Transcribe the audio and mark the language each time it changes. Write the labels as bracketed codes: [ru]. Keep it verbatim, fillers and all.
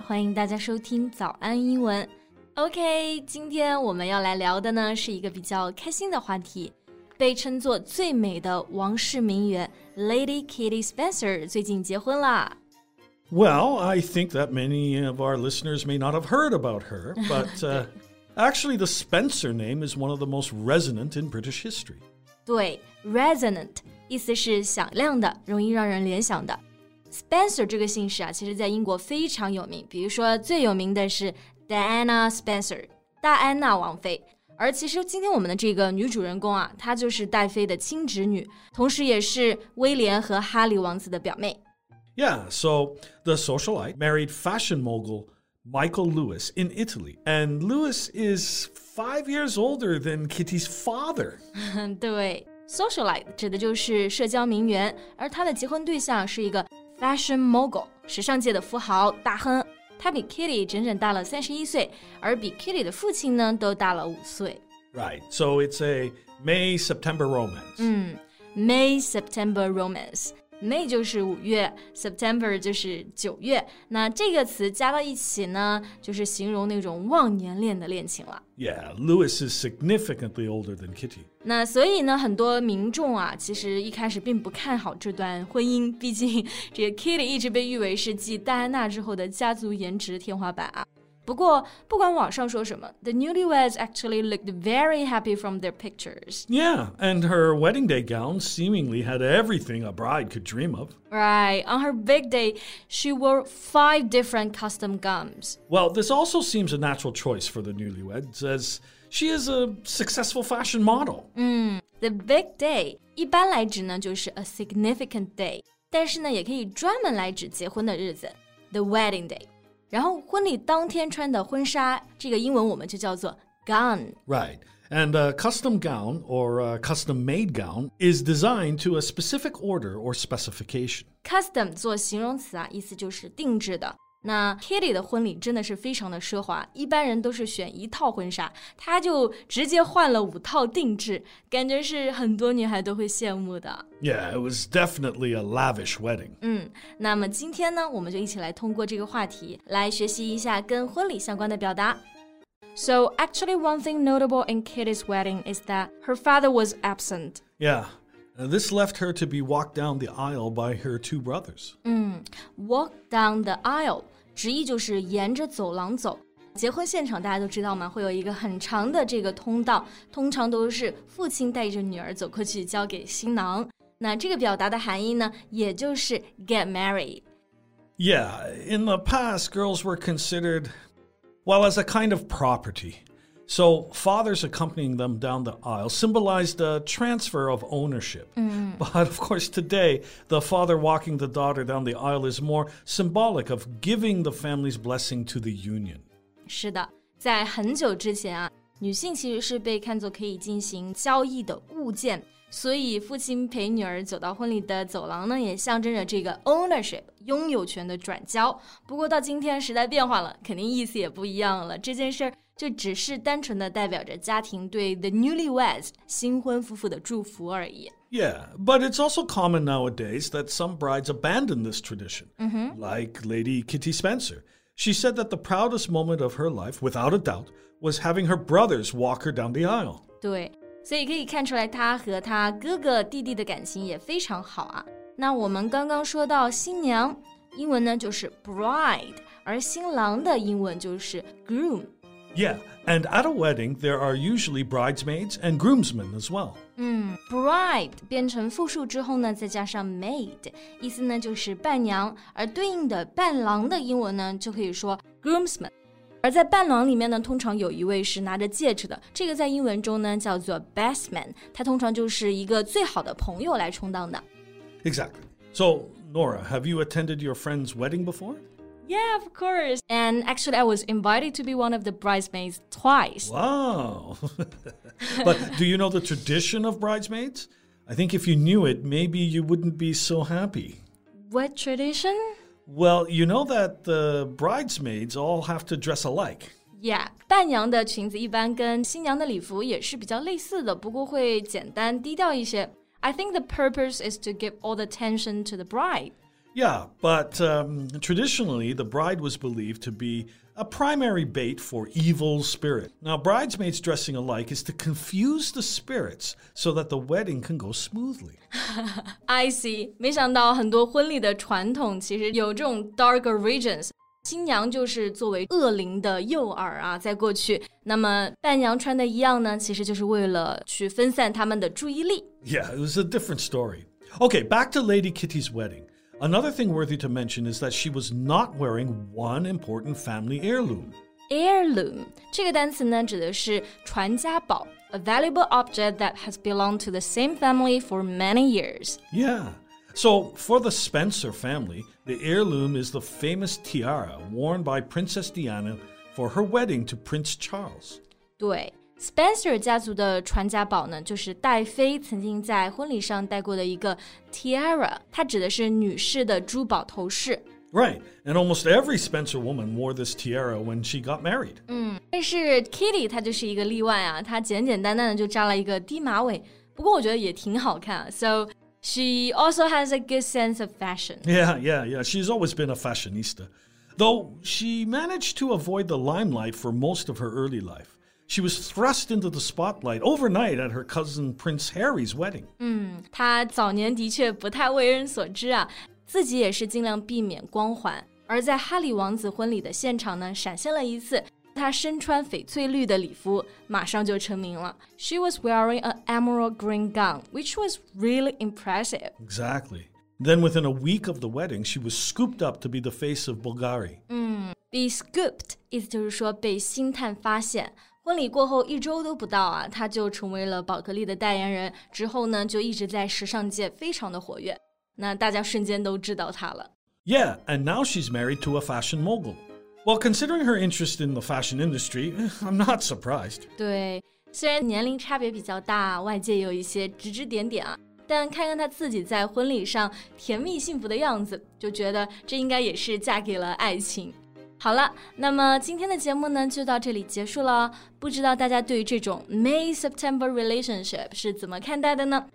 [zh] 欢迎大家收听早安英文。OK, 今天我们要来聊的呢是一个比较开心的话题，被称作最美的王室名媛 Lady Kitty Spencer 最近结婚啦。 [en] Well, I think that many of our listeners may not have heard about her, but uh, actually the Spencer name is one of the most resonant in British history. [zh] 对 resonant 意思是响亮的，容易让人联想的。 Spencer 这个姓氏啊，其实在英国非常有名，比如说最有名的是 Diana Spencer 戴安娜王妃。而其实今天我们的这个女主人公啊，她就是戴妃的亲侄女，同时也是威廉和哈利王子的表妹。 [en] Yeah, so the socialite married fashion mogul Michael Lewis in Italy, and Lewis is five years older than Kitty's father. [zh] 对。 Socialite 指的就是社交名媛，而她的结婚对象是一个 fashion mogul 时尚界的富豪大亨，她比 Kitty 整整大了三十一岁，而比 Kitty 的父亲呢都大了五岁。 [en] Right, so it's a May-September romance. [zh] 嗯 May-September romance May 就是五月， September 就是九月，那这个词加到一起呢就是形容那种忘年恋的恋情了。 [en] Yeah, Lewis is significantly older than Kitty. [zh] 那所以呢很多民众啊其实一开始并不看好这段婚姻，毕竟这个 Kitty 一直被誉为是继戴安娜之后的家族颜值天花板啊。不过不管网上说什么 [en] The newlyweds actually looked very happy from their pictures. Yeah, and her wedding day gown seemingly had everything a bride could dream of. Right, on her big day, she wore five different custom gowns. Well, this also seems a natural choice for the newlyweds, as she is a successful fashion model. [zh] 嗯 [en] The big day [zh] 一般来指呢就是 [en] a significant day, [zh] 但是呢也可以专门来指结婚的日子 [en] The wedding day. [zh] 然后婚礼当天穿的婚纱，这个英文我们就叫做 gown. [en] Right, and a custom gown or a custom-made gown is designed to a specific order or specification. [zh] Custom 做形容词啊，意思就是定制的。那 Kitty 的婚礼真的是非常的奢华，一般人都是选一套婚纱，她就直接换了五套定制，感觉是很多女孩都会羡慕的。 [en] Yeah, it was definitely a lavish wedding. [zh] 嗯，那么今天呢，我们就一起来通过这个话题来学习一下跟婚礼相关的表达。 [en] So, actually, one thing notable in Kitty's wedding is that her father was absent. Yeah, this left her to be walked down the aisle by her two brothers. [zh] 嗯 walk down the aisle. 直译就是沿着走廊走。结婚现场大家都知道吗？会有一个很长的这个通道，通常都是父亲带着女儿走过去交给新郎。那这个表达的含义呢，也就是 get married. [en] Yeah, in the past, girls were considered, well, as a kind of property. So fathers accompanying them down the aisle symbolized a transfer of ownership. Mm. But of course today, the father walking the daughter down the aisle is more symbolic of giving the family's blessing to the union. [zh] 是的，在很久之前啊，女性其实是被看作可以进行交易的物件，所以父亲陪女儿走到婚礼的走廊呢，也象征着这个 ownership 拥有权的转交。不过到今天时代变化了，肯定意思也不一样了。这件事儿就只是单纯的代表着家庭对 the newlyweds 新婚夫妇的祝福而已。 [en] Yeah, but it's also common nowadays that some brides abandon this tradition, mm-hmm. like Lady Kitty Spencer. She said that the proudest moment of her life, without a doubt, was having her brothers walk her down the aisle. [zh] 对，所以可以看出来她和她哥哥弟弟的感情也非常好啊。那我们刚刚说到新娘，英文呢就是 bride， 而新郎的英文就是 groom。 [en] Yeah, and at a wedding, there are usually bridesmaids and groomsmen as well. [zh] 嗯 bride 变成复数之后呢，再加上 maid， 意思呢就是伴娘，而对应的伴郎的英文呢就可以说 groomsman。而在伴郎里面呢，通常有一位是拿着戒指的，这个在英文中呢叫做 best man， 他通常就是一个最好的朋友来充当的。 [en] Exactly. So, Nora, have you attended your friend's wedding before? Yeah, of course. And actually, I was invited to be one of the bridesmaids twice. Wow. But do you know the tradition of bridesmaids? I think if you knew it, maybe you wouldn't be so happy. What tradition? Well, you know that the bridesmaids all have to dress alike. [zh] Yeah, 伴娘的裙子一般跟新娘的礼服也是比较类似的，不过会简单低调一些。 [en] I think the purpose is to give all the attention to the bride. Yeah, but um, traditionally, the bride was believed to be a primary bait for evil spirit. Now, bridesmaids dressing alike is to confuse the spirits so that the wedding can go smoothly. I see. [zh] 没想到很多婚礼的传统其实有这种 dark origins。新娘就是作为恶灵的诱饵啊，在过去，那么伴娘穿的一样呢，其实就是为了去分散他们的注意力。 [en] Yeah, it was a different story. Okay, back to Lady Kitty's wedding. Another thing worthy to mention is that she was not wearing one important family heirloom. Heirloom, [zh] 这个单词呢指的是传家宝 [en] a valuable object that has belonged to the same family for many years. Yeah, so for the Spencer family, the heirloom is the famous tiara worn by Princess Diana for her wedding to Prince Charles. [zh] 对。 Spencer 家族的传家宝呢，就是戴妃曾经在婚礼上戴过的一个 tiara， 它指的是女士的珠宝头饰。 [en] Right, and almost every Spencer woman wore this tiara when she got married. [zh] 嗯，但是 Kitty 她就是一个例外啊，她简简单单的就扎了一个低马尾，不过我觉得也挺好看啊。 [en] So she also has a good sense of fashion. Yeah, yeah, yeah. She's always been a fashionista, though she managed to avoid the limelight for most of her early life. She was thrust into the spotlight overnight at her cousin Prince Harry's wedding. [zh] 嗯，她早年的确不太为人所知啊，自己也是尽量避免光环。而在哈里王子婚礼的现场呢，闪现了一次。她身穿翡翠绿的礼服，马上就成名了。 [en] She was wearing an emerald green gown, which was really impressive. Exactly. Then within a week of the wedding, she was scooped up to be the face of Bulgari. [zh] 嗯 be scooped 意思就是说被星探发现。婚礼过后一周都不到啊，她就成为了宝格丽的代言人，之后呢就一直在时尚界非常的活跃，那大家瞬间都知道她了。 [en] Yeah, and now she's married to a fashion mogul. Well, considering her interest in the fashion industry, I'm not surprised. [zh] 对，虽然年龄差别比较大，外界有一些指指点点啊，但看看她自己在婚礼上甜蜜幸福的样子，就觉得这应该也是嫁给了爱情。好了，那么今天的节目呢就到这里结束了。不知道大家对于这种 May-September relationship 是怎么看待的呢？